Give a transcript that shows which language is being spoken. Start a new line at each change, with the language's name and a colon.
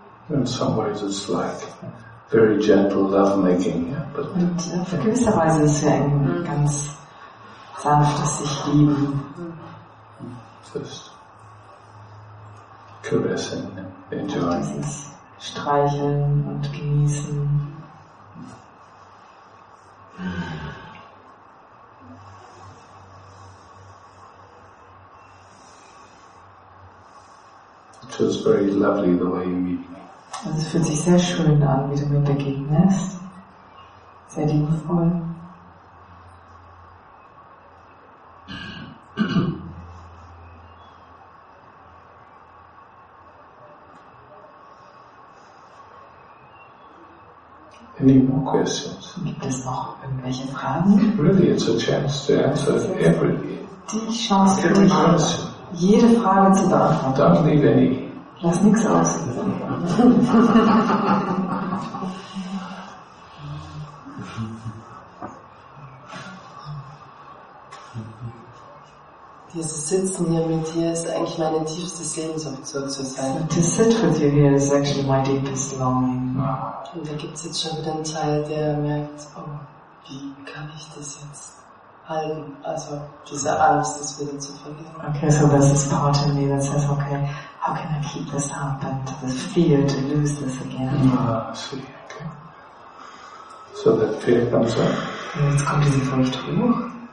English: In some ways it's like very gentle love making, yeah, but
German: und in gewisser Weise ist ja ein ganz sanftes sich lieben.
English: Just caressing, enjoying.
German: Dieses streicheln und genießen.
English: It feels very lovely the way you meet me.
German: Und es fühlt sich sehr schön an, wie du mir begegnest. Sehr liebevoll.
English: Any more questions?
German: Gibt es noch irgendwelche Fragen?
English: Really, it's a chance to answer every.
German: Die Chance, für dich, jede Frage zu beantworten.
English: Don't leave any.
German: Lass nichts aus. Dieses Sitzen hier mit dir ist eigentlich meine tiefste Sehnsucht, so zu sein.
English: To sit with you here is actually my deepest longing. Wow.
German: Und da gibt es jetzt schon wieder einen Teil, der merkt, oh, wie kann ich das jetzt halten? Also diese Angst, das wieder zu verlieren.
English: Okay, so this is part of me that says, okay, how can I keep this up and the fear to lose this again? Ah, see, okay. So that fear comes up.
German: Und jetzt kommt diese Furcht hoch.